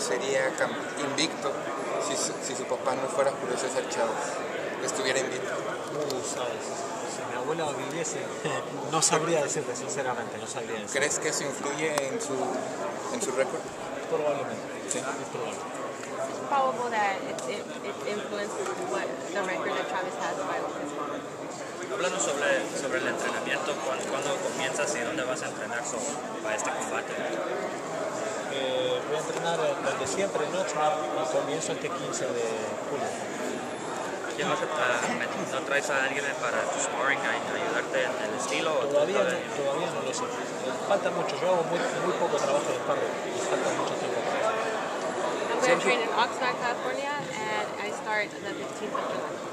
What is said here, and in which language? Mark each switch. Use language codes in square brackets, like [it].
[es] sería invicto si su papá no fuera Julio César Chávez? ¿Estuviera invicto? Sabes, si mi abuela viviese, no sabría decirte, sinceramente, no sabría decirte. ¿Crees que eso influye en su récord? Probablemente. Sí, es probable. [en] It's probable that it influences what the record that Chávez has by his. [es] Hablando sobre el entrenamiento, ¿cuándo comienzas y dónde vas a entrenar para este combate? Voy a entrenar donde siempre, no, comienzo este 15 de julio. ¿Y llevas no traes a alguien para tu sparring, a ayudarte en el estilo? Todavía no lo sé. Falta mucho. Yo hago muy, muy poco trabajo de sparring y falta mucho tiempo. [en] I'm going to train in Oxnard, California, and I start on the 15th of July.